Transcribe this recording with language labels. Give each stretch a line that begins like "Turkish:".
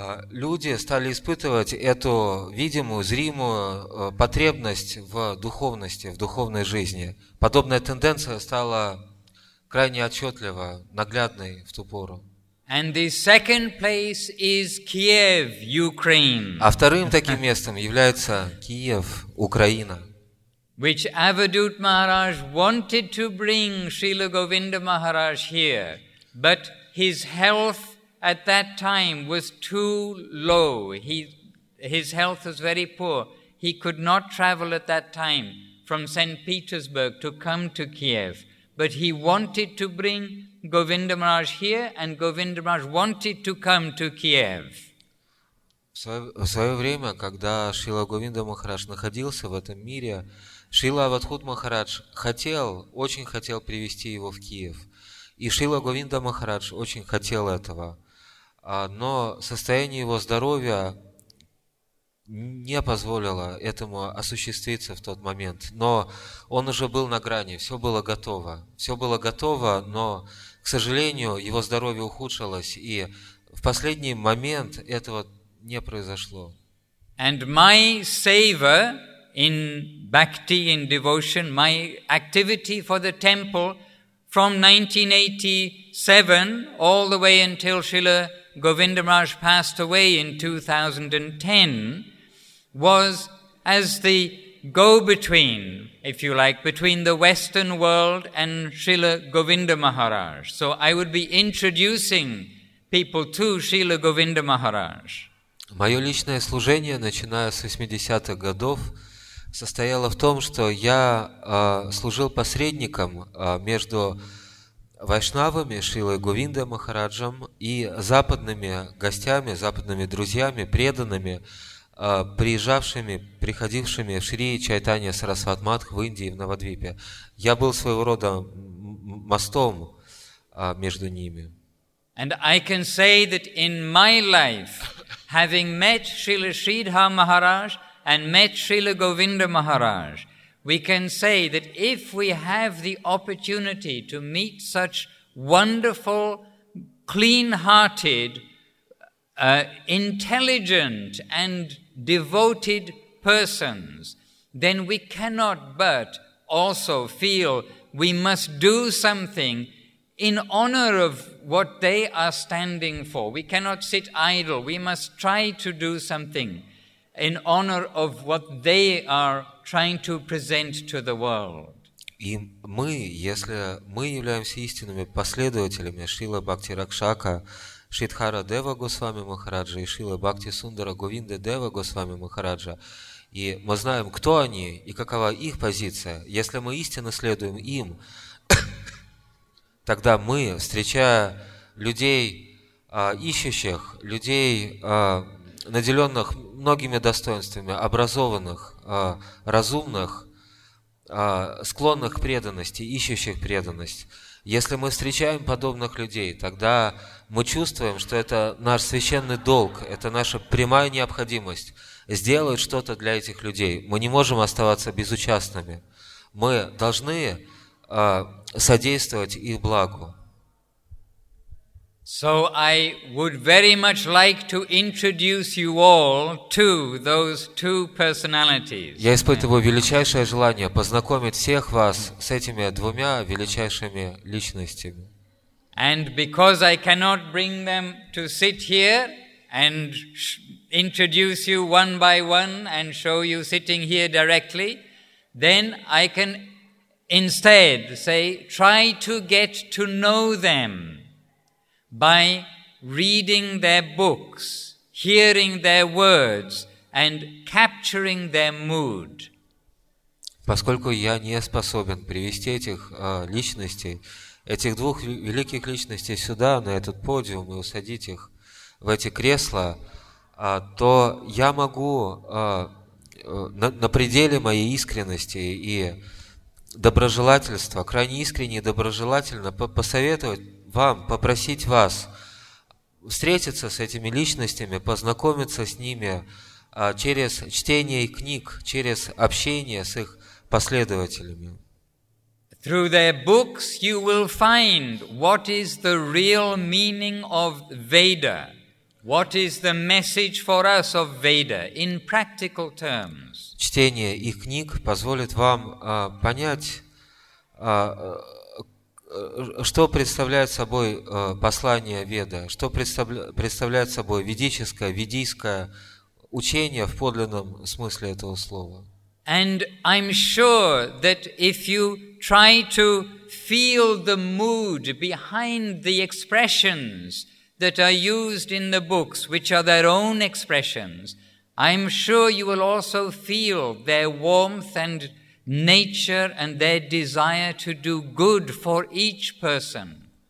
Russian: люди стали испытывать эту видимую, зримую потребность в духовности, в духовной жизни. Подобная тенденция стала крайне отчетлива, наглядной в ту пору.
English: And the second place is Kiev, Ukraine.
Russian: А вторым таким местом является Киев, Украина.
English: Which Avadhut Maharaj wanted to bring Srila Govinda Maharaj here, but his health at that time was too low. His health was very poor. He could not travel at that time from St. Petersburg to come to Kiev, but he wanted to bring Govinda Maharaj here, and Govinda Maharaj wanted to come to Kiev.
Russian: В свое время, когда Шрила Говинда Махарадж находился в этом мире, Шрила Авадхут Махарадж хотел, очень хотел привести его в Киев. И Шрила Говинда Махарадж очень хотел этого. Но состояние его здоровья не позволило этому осуществиться в тот момент. Но он уже был на грани, все было готово. Все было готово, но, к сожалению, его здоровье ухудшилось, и в последний момент этого не произошло.
English: And my seva in bhakti, in devotion, my activity for the temple from 1987 all the way until Srila Govinda Maharaj passed away in 2010 was as the go-between, if you like, between the Western world and Srila Govinda Maharaj. So I would be introducing people to Srila Govinda Maharaj.
Russian: Мое личное служение, начиная с 80-х годов, состояло в том, что я служил посредником между вайшнавами Шрилой Говинда Махараджем и западными гостями, западными друзьями, преданными, приезжавшими, приходившими в Шри Чайтанья Сарасват Матх в Индии, в Навадвипе. Я был своего рода мостом между ними.
English: And I can say that in my life, having met Srila Sridhar Maharaj and met Srila Govinda Maharaj, we can say that if we have the opportunity to meet such wonderful, clean-hearted, intelligent and devoted persons, then we cannot but also feel we must do something in honor of what they are standing for. We cannot sit idle. We must try to do something in honor of what they are trying to present to the world.
Russian: И мы, если мы являемся истинными последователями Шрила Бхакти Ракшака, Шридхара Дева Госвами Махараджа и Шрила Бхакти Сундара Говинда Дева Госвами Махараджа, и мы знаем, кто они и какова их позиция, если мы истинно следуем им, тогда мы, встречая людей, ищущих, людей, наделенных многими достоинствами, образованных, разумных, склонных к преданности, ищущих преданность, если мы встречаем подобных людей, тогда мы чувствуем, что это наш священный долг, это наша прямая необходимость сделать что-то для этих людей. Мы не можем оставаться безучастными. Мы должны содействовать их благу.
English: So I would very much like to introduce you all to those two personalities.
Russian: Я испытываю величайшее желание познакомить всех вас с этими двумя величайшими личностями.
English: And because I cannot bring them to sit here and introduce you one by one and show you sitting here directly, then I can instead say, try to get to know them by reading their books, hearing their words, and capturing their mood.
Russian: Поскольку я не способен привести этих личностей, этих двух великих личностей сюда, на этот подиум, и усадить их в эти кресла, то я могу на пределе моей искренности и доброжелательства, крайне искренне и доброжелательно посоветовать вам, попросить вас встретиться с этими личностями, познакомиться с ними через чтение книг, через общение с их последователями.
English: Through their books you will find what is the real meaning of Veda. What is the message for us of Veda in practical terms?
Russian: Чтение их книг позволит вам понять, что представляет собой послание Веда, что представляет собой ведическое, ведийское учение в подлинном смысле этого слова.
English: And I'm sure that if you try to feel the mood behind the expressions that are used in the books, which are their own expressions, I'm sure you will also feel their warmth and nature and their desire to do good for each person.